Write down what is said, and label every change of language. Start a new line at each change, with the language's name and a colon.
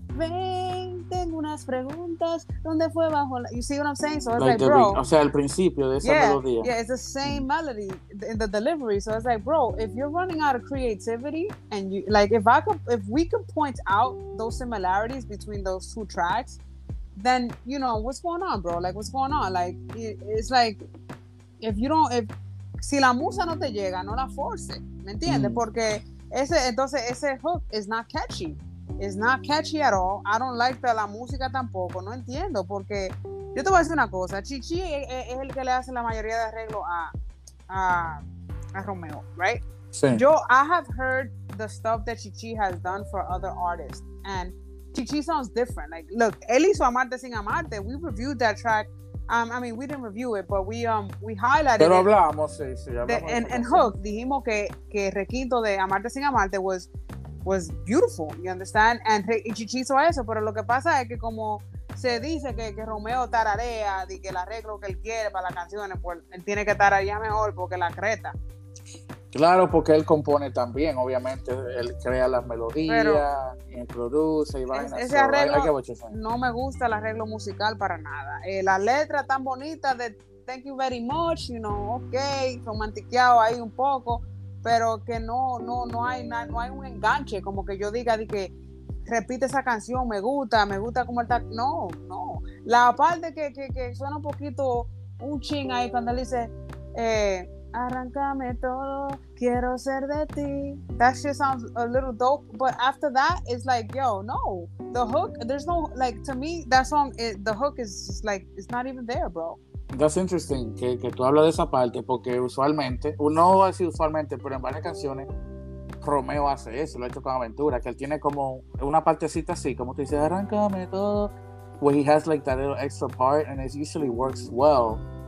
Spanish: Ven, tengo unas preguntas, ¿dónde fue bajo la...
English: You see what I'm saying? So it's like bro.
Spanish: O sea, el principio de esa melodía.
English: Yeah, it's the same melody in the delivery. So it's like, bro, if you're running out of creativity, and you, like, if we could point out those similarities between those two tracks, then, you know, what's going on, bro? Like, what's going on? Like, it's like, if you don't, if...
Spanish: Si la musa no te llega, no la force, ¿me entiendes? Mm. Porque ese, entonces ese
English: hook is not catchy. It's not catchy at all. I don't like
Spanish: la música tampoco. No entiendo porque... Yo te voy a decir una cosa. Chichi es el que le hace la mayoría de arreglos a Romeo, right? Sí.
English: Yo, I have heard the stuff that Chichi has done for other artists. And Chichi sounds different. Like, look,
Spanish: él hizo Amarte sin Amarte.
English: We reviewed that track. I mean, we didn't review it, but we highlighted.
Spanish: Pero hablamos, sí, sí. Hablamos
English: the, and hook,
Spanish: dijimos que requinto de Amarte sin Amarte
English: was beautiful. You understand?
Spanish: And Chichi hizo eso, pero lo que pasa es que como se dice que Romeo tararea y que el arreglo que él quiere para las canciones, pues él tiene que tararear mejor porque la creta. Claro, porque él compone también, obviamente él crea las melodías, pero, y produce y va en ese arreglo. No me gusta el arreglo musical para nada. La letra tan bonita de Thank You Very Much,
English: you know, okay,
Spanish: romantiqueado ahí un poco, pero que no hay un enganche, como que yo diga de que repite esa canción, me gusta como está. No. La parte que suena un poquito un ching ahí cuando él dice arráncame todo, quiero ser de ti.
English: That shit sounds a little dope, but after that, it's like, yo, no. The hook, there's no, like, to me, that song, it, the hook is just like, it's not even there, bro. That's interesting
Spanish: que tú hablas de esa parte, porque usualmente, no así usualmente, pero en varias canciones, Romeo hace eso, lo ha hecho con Aventura, que él tiene como una partecita así, como tú dices, arráncame todo,
English: where he has like that little extra part, and it usually works well.